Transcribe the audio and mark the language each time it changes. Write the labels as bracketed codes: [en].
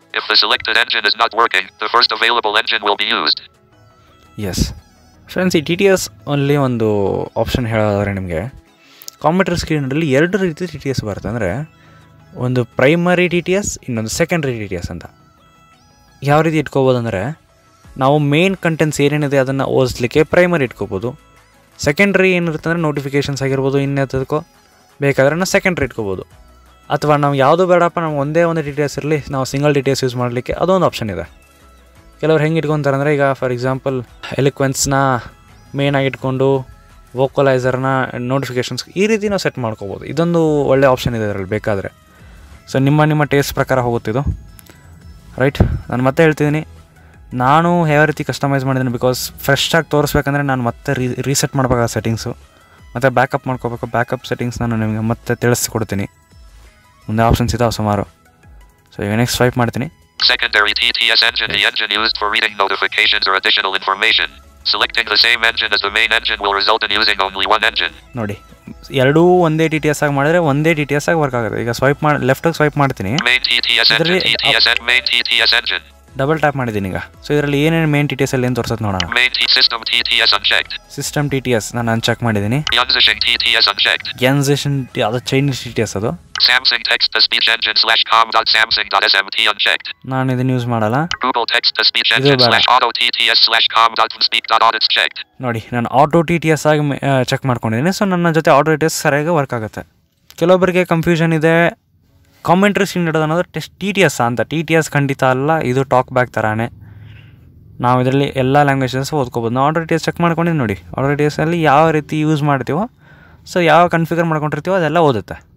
[en] If the selected engine is not working, the first available engine will be used. Yes. [kn] Friends, ಈ TTS only ಒಂದು option ಹೇಳೋದಾದ್ರೆ ನಿಮಗೆ computer ಸ್ಕ್ರೀನಲ್ಲಿ ಎರಡು ರೀತಿ TTS ಬರುತ್ತೆ, ಅಂದರೆ ಒಂದು ಪ್ರೈಮರಿ TTS, ಇನ್ನೊಂದು ಸೆಕೆಂಡ್ರಿ TTS ಅಂತ. ಯಾವ ರೀತಿ ಇಟ್ಕೋಬೋದು ಅಂದರೆ ನಾವು ಮೇನ್ ಕಂಟೆಂಟ್ಸ್ ಏನೇನಿದೆ ಅದನ್ನು ಓದಿಸ್ಲಿಕ್ಕೆ ಪ್ರೈಮರಿ ಇಟ್ಕೋಬೋದು, ಸೆಕೆಂಡ್ರಿ ಏನಿರುತ್ತೆ ಅಂದರೆ ನೋಟಿಫಿಕೇಷನ್ಸ್ ಆಗಿರ್ಬೋದು ಇನ್ನೇತದಕ್ಕೋ ಬೇಕಾದ್ರೆ ನಾವು ಸೆಕೆಂಡ್ರಿ ಇಟ್ಕೋಬೋದು. ಅಥವಾ ನಾವು ಯಾವುದು ಬೇಡಪ್ಪ, ನಾವು ಒಂದೇ ಒಂದು TTS ಇರಲಿ, ನಾವು ಸಿಂಗಲ್ TTS ಯೂಸ್ ಮಾಡಲಿಕ್ಕೆ ಅದೊಂದು ಆಪ್ಷನ್ ಇದೆ. ಕೆಲವರು ಹೆಂಗೆ ಇಟ್ಕೊತಾರೆ ಅಂದರೆ, ಈಗ ಫಾರ್ ಎಕ್ಸಾಂಪಲ್ ಎಲಿಕ್ವೆನ್ಸ್ನ ಮೇನ್ ಆಗಿಟ್ಕೊಂಡು ವೋಕಲೈಸರ್ನ ನೋಟಿಫಿಕೇಷನ್ಸ್ ಈ ರೀತಿ ನಾವು ಸೆಟ್ ಮಾಡ್ಕೋಬೋದು. ಇದೊಂದು ಒಳ್ಳೆ ಆಪ್ಷನ್ ಇದೆ ಅದರಲ್ಲಿ ಬೇಕಾದರೆ. ಸೊ ನಿಮ್ಮ ನಿಮ್ಮ ಟೇಸ್ಟ್ ಪ್ರಕಾರ ಹೋಗುತ್ತಿದ್ದು, ರೈಟ್. ನಾನು ಮತ್ತೆ ಹೇಳ್ತಿದ್ದೀನಿ, ನಾನು ಯಾವ ರೀತಿ ಕಸ್ಟಮೈಸ್ ಮಾಡಿದ್ದೀನಿ, ಬಿಕಾಸ್ ಫ್ರೆಶ್ ಆಗಿ ತೋರಿಸ್ಬೇಕಂದ್ರೆ ನಾನು ಮತ್ತೆ ರೀಸೆಟ್ ಮಾಡಬೇಕಾದ ಸೆಟ್ಟಿಂಗ್ಸು, ಮತ್ತು ಬ್ಯಾಕಪ್ ಮಾಡ್ಕೋಬೇಕು. ಬ್ಯಾಕಪ್ ಸೆಟ್ಟಿಂಗ್ಸ್ ನಾನು ನಿಮಗೆ ಮತ್ತೆ ತಿಳಿಸ್ಕೊಡ್ತೀನಿ, ಮುಂದೆ ಆಪ್ಷನ್ಸ್ ಇದಾವೆ ಸುಮಾರು. ಸೊ ಈಗ ನೆಕ್ಸ್ಟ್ ಸ್ವೈಪ್ ಮಾಡ್ತೀನಿ. [en] Secondary TTS engine, the engine used for reading notifications or additional information. Selecting the same engine as the main engine will result in using only one engine. [kn] ನೋಡಿ, ಎರಡು ಒಂದೇ TTS ಆಗಿ ಮಾಡಿದ್ರೆ ಒಂದೇ TTS ಆಗಿ work ಆಗುತ್ತೆ. ಈಗ ಸ್ವೈಪ್ ಮಾಡಿ, ಲೆಫ್ಟ್ ಆಗಿ ಸ್ವೈಪ್ ಮಾಡ್ತೀನಿ. [en] Main TTS engine, TTS and main TTS engine. [kn] Double tap ಮಾಡಿದ್ದೀನಿ ಈಗ. ಸೊ ಇದರಲ್ಲಿ ಏನೇನು ಮೇನ್ TTS ಅಲ್ಲಿ ಏನು ತೋರಿಸುತ್ತೆ ನೋಡೋಣ. [en] Main system TTS unchecked. [kn] System TTS ನಾನು ಅನ್ಚೆಕ್ ಮಾಡಿದ್ದೀನಿ. [en] Transition TTS unchecked. [kn] Transition ಅದು ಚೈನೀಸ್ TTS ಅದು. [en] Samsung text to speech engine /com.samsung.smt unchecked. [kn] ನಾನು ಇದನ್ನ ಯೂಸ್ ಮಾಡಲ್ಲ. [en] Google text to speech engine /auto-tts/com.speak.audits checked. [kn] ನೋಡಿ, ನಾನು ಆಟೋ TTS ಆಗಿ ಚೆಕ್ ಮಾಡ್ಕೊಂಡಿದ್ದೀನಿ. ಸೊ ನನ್ನ ಜೊತೆ ಆಟೋ TTS ಸರಿಯಾಗಿ ವರ್ಕ್ ಆಗುತ್ತೆ. ಕೆಲವೊಬ್ಬರಿಗೆ ಕನ್ಫ್ಯೂಷನ್ ಇದೆ ಕಾಮೆಂಟ್ರಿ ಸೀನ್ ಇಡೋದು ಅನ್ನೋದು ಟೆಸ್ಟ್ ಟಿ ಟಿ ಎಸ್ ಅಂತ. ಟಿ ಟಿ ಎಸ್ ಖಂಡಿತ ಅಲ್ಲ, ಇದು ಟಾಕ್ ಬ್ಯಾಕ್ ಥರನೇ. ನಾವು ಇದರಲ್ಲಿ ಎಲ್ಲ ಲ್ಯಾಂಗ್ವೇಜಸ್ ಓದ್ಕೋಬೋದು. ನಾವು ಆರ್ಡರ್ ಟಿ ಎಸ್ ಚೆಕ್ ಮಾಡ್ಕೊಂಡಿದ್ದು ನೋಡಿ, ಆರ್ಡರ್ ಟಿ ಎಸ್ನಲ್ಲಿ ಯಾವ ರೀತಿ ಯೂಸ್ ಮಾಡ್ತೀವೋ, ಸೊ ಯಾವ ಕನ್ಫಿಗರ್ ಮಾಡ್ಕೊಂಡಿರ್ತೀವೋ ಅದೆಲ್ಲ ಓದುತ್ತೆ.